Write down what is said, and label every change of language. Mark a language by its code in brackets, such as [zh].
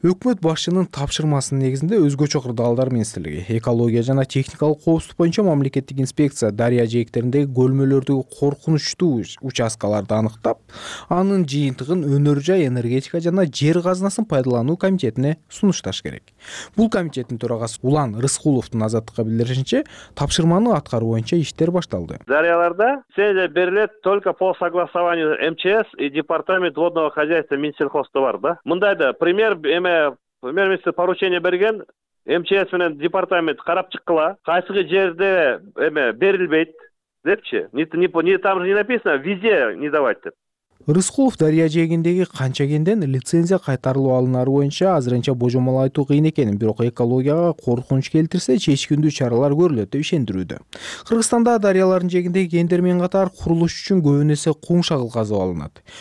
[ky] Өкмөт башчынын тапшырмасынын негизинде өзгөчө кырдаалдар министрлиги, экология жана техникалык коопсуздук боюнча мамлекеттик инспекция дарыя жээктериндеги көлмөлөрдөгү коркунучтуу участкаларды аныктап, анын жыйынтыгын өнөр жай, энергетика жана жер казынасын пайдалануу комитетине сунушташ керек. Бул комитеттин төрагасы Улан Рыскуловдун Азаттыкка билдиришинче, тапшырманы аткаруу боюнча иштер башталды. Дарыяларда лицензия берилет [ru] только по согласованию МЧС и департамент водного хозяйства [ky] Минсельхозда бар, да? Мындай да, премьер-министр поручение берген МЧС менен департамент карап чыккыла, кайсы жерде берилбейт депчи. [ru] Не там же не написано, везде не давать деп. [ky] Рыскулов дарыя жээгиндеги канча кенден лицензия кайтарылуу алынары боюнча азырынча божомол айтуу кыйын экенин, бирок экологияга коркунуч келтирсе чечкиндүү чаралар көрүлөт деп ишендирүүдө. Кыргызстанда дарыялардын жээгиндеги кендер менен катар курулуш үчүн көбүн эсе кум шагыл казып алынат.